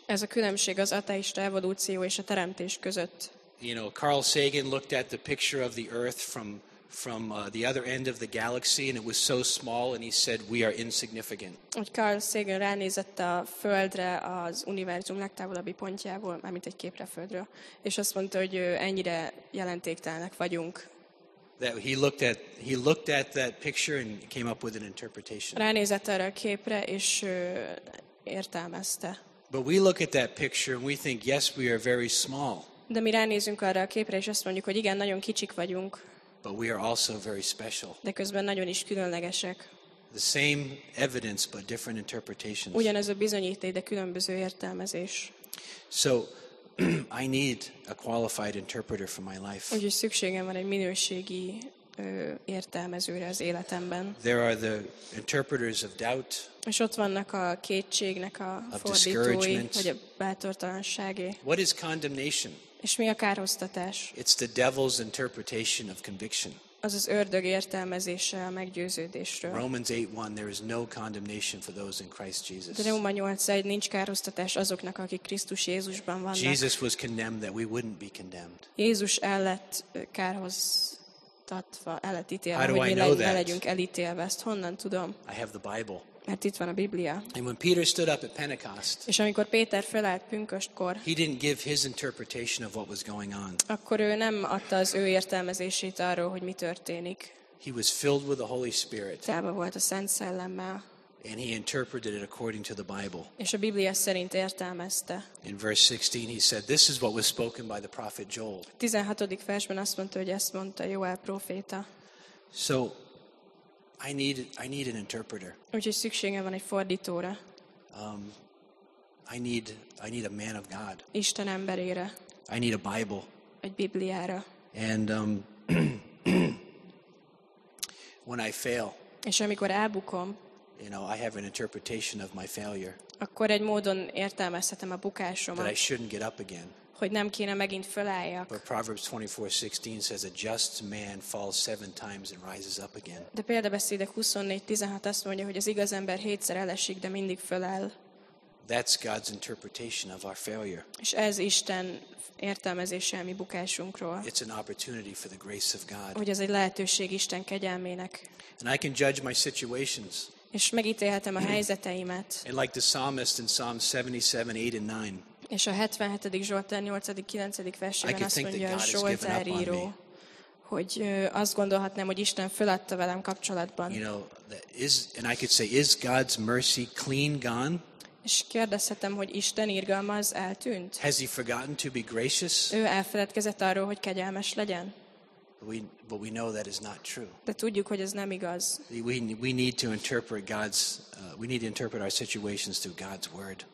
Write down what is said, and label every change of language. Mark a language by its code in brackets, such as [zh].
[hu] Ez a különbség az ateista evolúció és a teremtés között. [en] You know, Carl Sagan looked at the picture of the Earth from the other end of the galaxy, and it was so small, and he said, "We are insignificant." [hu] Carl Sagan ránézett a Földre az univerzum legtávolabbi pontjából, mármint egy képre Földről, és azt mondta, hogy ennyire jelentéktelenek vagyunk. [en] That he looked at that picture and came up with an interpretation. [hu] Ránézett erre a képre és értelmezte. [en] But we look at that picture and we think, "Yes, we are very small." [hu] De mi ránézünk arra a képre, és azt mondjuk, hogy igen, nagyon kicsik vagyunk. [en] But we are also very special. [hu] De közben nagyon is különlegesek. [en] The same evidence, but different interpretations. [hu] Ugyanaz a bizonyíték, de különböző értelmezés. [en] So, I need a qualified interpreter for my life. [hu] Úgyhogy szükségem van egy minőségi értelmezőre az életemben. [en] There are the interpreters of doubt. [hu] És ott vannak a kétségnek a fordítói, vagy a bátortalanságé. [en] What is condemnation? [hu] És mi a kárhoztatás? [en] It's the devil's interpretation of conviction. [hu] Az az ördög értelmezése a meggyőződésről. [en] Romans 8:1, there is no condemnation for those in Christ Jesus. [hu] De Róma 8:1, nincs kárhoztatás azoknak, akik Krisztus Jézusban vannak. [en] Jesus was condemned that we wouldn't be condemned. [hu] Jézus el lett kárhoztatva, el lett ítélve, hogy mi ne legyünk elítélve. Ezt honnan tudom? [en] I have the Bible. [hu] Mert itt van a Biblia. [en] And when Peter stood up at Pentecost, [hu] és amikor Péter fölállt pünköstkor, [en] he didn't give his interpretation of what was going on. [hu] Akkor ő nem adta az ő értelmezését arról, hogy mi történik. [en] He was filled with the Holy Spirit. [hu] Tába volt a Szent Szellemmel. [en] And he interpreted it according to the Bible. [hu] És a Biblia szerint értelmezte. [en] In verse 16 he said, "This is what was spoken by the prophet Joel." [hu] 16. versben azt mondta, hogy ezt mondta Joel proféta. [en] So I need an interpreter. [hu] Úgyhogy szükségem van egy fordítóra. [en] I need a man of God. [hu] Isten emberére. [en] I need a Bible. [hu] Egy Bibliára. [en] And when I fail. [hu] És amikor elbukom. [en] You know, I have an interpretation of my failure. [hu] Akkor egy módon értelmezhetem a bukásomat. [en] That I shouldn't get up again. [hu] Hogy nem kéne megint fölálljak. [en] But Proverbs 24:16 says a just man falls 7 times and rises up again. [hu] De Példabeszédek 24:16 azt mondja, hogy az igaz ember 7-szer elesik, de mindig föláll. [en] That's God's interpretation of our failure. [hu] És ez Isten értelmezése a mi bukásunkról. [en] It's an opportunity for the grace of God. [hu] Hogy ez egy lehetőség Isten kegyelmének. [en] And I can judge my situations. [hu] És megítélhetem a helyzeteimet. [en] And like the psalmist in Psalm 77:8-9. [hu] És a 77. Zsoltár 8. 9. versében azt mondja a Zsoltár író, hogy azt gondolhatnám, hogy Isten föladta velem kapcsolatban. [en] You know, and I could say, is God's mercy clean gone? [hu] És kérdezhetem, hogy Isten irgalma az eltűnt? [en] Has he forgotten to be gracious? [hu] Ő elfeledkezett arról, hogy kegyelmes legyen? [en] But we know that is not true. [hu] De tudjuk, hogy ez nem igaz. [en] We need to interpret God's we need to interpret our situations through God's word.